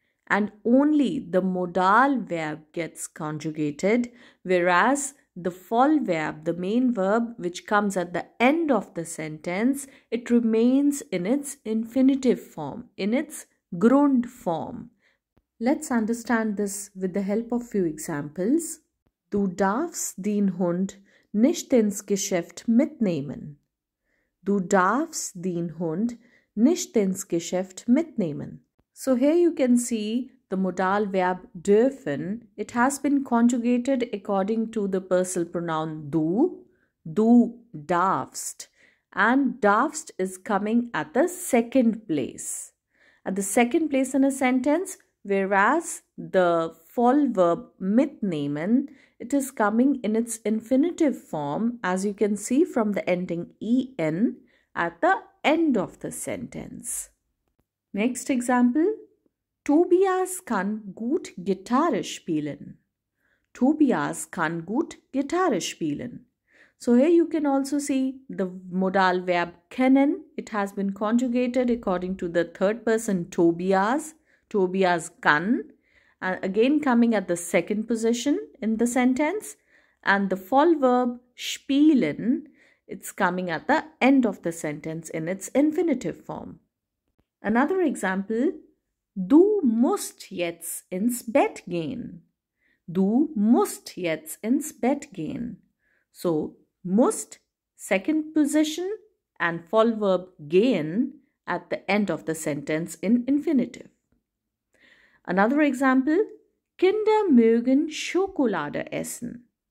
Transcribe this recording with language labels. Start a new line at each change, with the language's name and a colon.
English: And only the modal verb gets conjugated, whereas the voll verb, the main verb, which comes at the end of the sentence, it remains in its infinitive form, in its Grund form. Let's understand this with the help of few examples.
German: Du darfst den Hund nicht ins Geschäft mitnehmen. Du darfst den Hund nicht ins Geschäft mitnehmen.
English: So here you can see the modal verb dürfen. It has been conjugated according to the personal pronoun du.
German: Du darfst.
English: And darfst is coming at the second place. At the second place in a sentence, whereas the voll verb mitnehmen, it is coming in its infinitive form, as you can see from the ending en, at the end of the sentence. Next example,
German: Tobias kann gut Gitarre spielen. Tobias kann gut Gitarre spielen.
English: So here you can also see the modal verb können. It has been conjugated according to the third person Tobias.
German: Tobias kann.
English: And again coming at the second position in the sentence. And the voll verb spielen, it's coming at the end of the sentence in its infinitive form. Another example,
German: du musst jetzt ins Bett gehen. Du musst jetzt ins Bett gehen.
English: So, must, second position, and voll verb gehen at the end of the sentence in infinitive. Another example,
German: Kinder mögen Schokolade essen.